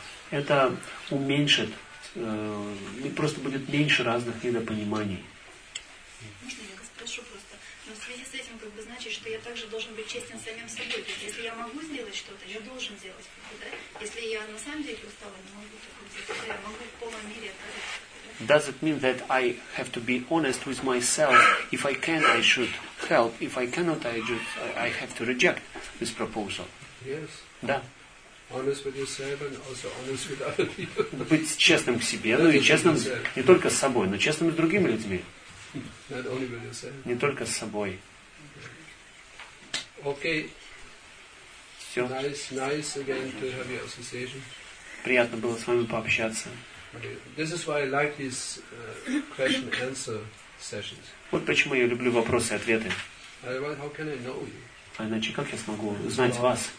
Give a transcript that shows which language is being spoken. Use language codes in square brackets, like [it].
[ru] Это уменьшит, и просто будет меньше разных недопониманий. Можно я спрошу просто? Но в связи с этим значит, что я также должен быть честен с самим собой. То есть, если я могу сделать что-то, я должен сделать как-то, да? Если я на самом деле устала, не могу так делать, то я могу в полном мире отказаться. [en] Does it mean that I have to be honest with myself? If I can, I should help. If I cannot, I have to reject this proposal. Yes. [ru] Да. [en] Honest with yourself and also honest with other people. [ru] Быть честным к себе, ну и честным не только с собой, но честным и с другими людьми. [en] Not only with yourself. [ru] Не только с собой. [en] Okay. [ru] Все. [en] Nice again to have your association. [ru] приятно было с вами пообщаться. [en] This is why I like these question answer sessions. [ru] Вот почему я люблю вопросы и ответы. [en] Otherwise, how can I know you? [ru] А иначе как я смогу узнать вас?